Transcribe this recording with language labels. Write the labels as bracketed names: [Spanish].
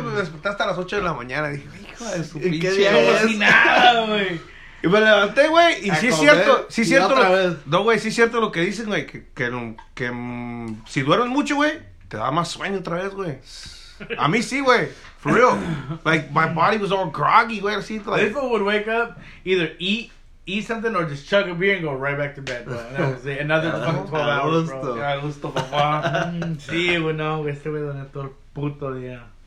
[Spanish] Me desperté hasta las 8 de la mañana. Dije, hijo de su pinche. Como si nada, güey. Y me levanté, güey. Y sí es cierto. Sí es cierto. No, güey. Sí es cierto lo que dicen, güey. Que si duermes mucho, güey, te da más sueño otra vez, güey. A mí sí, güey. [English] For real. Like, my body was all groggy. Wait, see, like, this one would wake up, either eat something, or just chug a beer and go right back to bed. Bro. And that was it. Another fucking 12 hours, bro. [Spanish] Gusto. Ya gusto, papá. Sí, bueno, este güey donde todo el puto día.